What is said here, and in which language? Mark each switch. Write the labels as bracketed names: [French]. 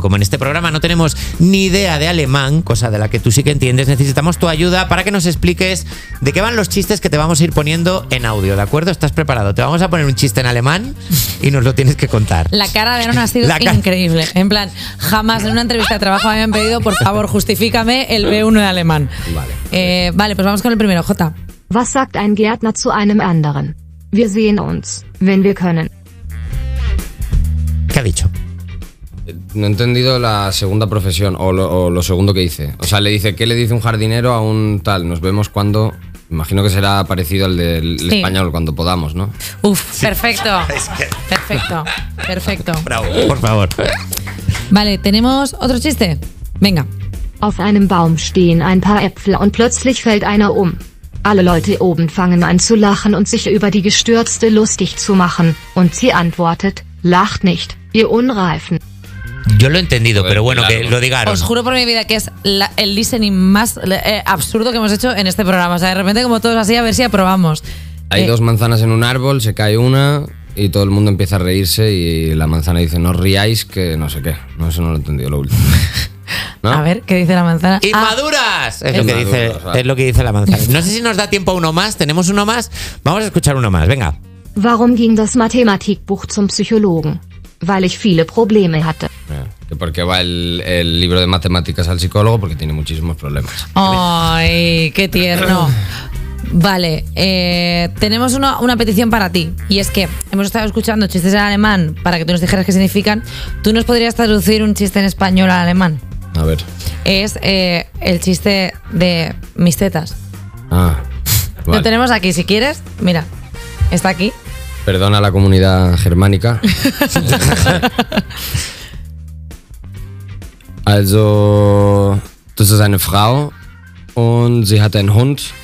[Spanish] Como en este programa no tenemos ni idea de alemán, cosa de la que tú sí que entiendes, necesitamos tu ayuda para que nos expliques de qué van los chistes que te vamos a ir poniendo en audio, ¿de acuerdo? ¿Estás preparado? Te vamos a poner un chiste en alemán y nos lo tienes que contar. La cara de Aaron ha sido increíble. En plan, jamás en una entrevista de trabajo me han pedido, por favor, justifícame el B1 de alemán. Vale. Vale, pues vamos con el primero, Jota. [German] Was sagt ein Gärtner zu einem anderen? Wir sehen uns, wenn wir können. [Spanish] ¿Qué ha dicho? No he entendido la segunda profesión o lo segundo que dice. O sea, le dice, ¿qué le dice un jardinero a un tal? Nos vemos cuando... Imagino que será parecido al del español, cuando podamos, ¿no? Uf, perfecto. Perfecto, perfecto. Bravo, por favor. Vale, ¿tenemos otro chiste? Venga. [German] Auf einem Baum stehen ein paar Äpfel und plötzlich fällt einer um. Alle Leute oben fangen an zu lachen und sich über die Gestürzte lustig zu machen. Und sie antwortet, lacht nicht, ihr Unreifen. [Spanish] Yo lo he entendido, pero bueno, claro, que lo digan. Os juro por mi vida que es el listening más absurdo que hemos hecho en este programa. O sea, de repente como todos así, a ver si aprobamos. Hay dos manzanas en un árbol, se cae una y todo el mundo empieza a reírse y la manzana dice, no riáis, que no sé qué. No, eso no lo he entendido, lo último. ¿No? A ver, ¿qué dice la manzana? ¡Inmaduras! Es lo que dice la manzana. No sé si nos da tiempo a uno más. ¿Tenemos uno más? Vamos a escuchar uno más, venga. [German] ¿Warum ging das Mathematikbuch zum Psychologen? Weil ich viele Probleme hatte. [Spanish] ¿Que por qué va el libro de matemáticas al psicólogo? Porque tiene muchísimos problemas. ¡Ay, qué tierno! Vale, tenemos una petición para ti. Y es que hemos estado escuchando chistes en alemán para que tú nos dijeras qué significan. ¿Tú nos podrías traducir un chiste en español al alemán? A ver. Es el chiste de mis tetas. Ah, vale. Lo tenemos aquí, si quieres. Mira, está aquí. Perdona a la comunidad germánica. [German] Also, das ist eine Frau und sie hat einen Hund.